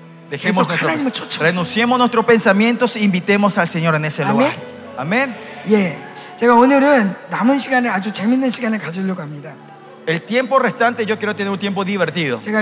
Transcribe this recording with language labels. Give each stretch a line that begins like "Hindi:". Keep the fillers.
Spanish: dejemos nuestro, renunciemos nuestros pensamientos e invitemos al Señor en ese Amén. lugar. Amén. Yeah.
Korean: 제가 오늘은 남은 시간을 아주 재밌는 시간을 가지려고 합니다.
Spanish: El tiempo restante yo quiero tener un tiempo divertido.